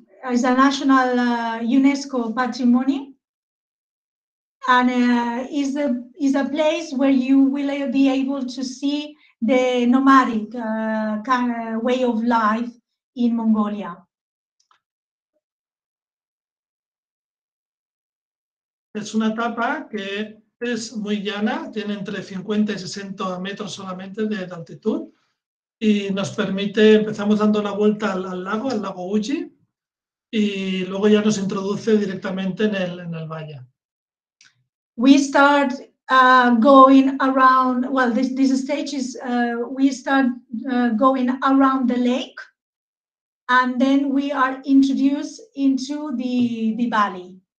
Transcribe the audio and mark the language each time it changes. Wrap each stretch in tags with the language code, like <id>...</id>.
<en>Is a national UNESCO patrimony, and is a place where you will be able to see the nomadic kind of way of life in Mongolia.</en> <es>Es una etapa que es muy llana, tiene entre 50 y 60 metros solamente de altitud, y nos permite, empezamos dando la vuelta al lago Uji, y luego ya nos introduce directamente en el valle.</es> <en>We start going around, well, this stage is, we start going around the lake, and then we are introduced into the valley.</en>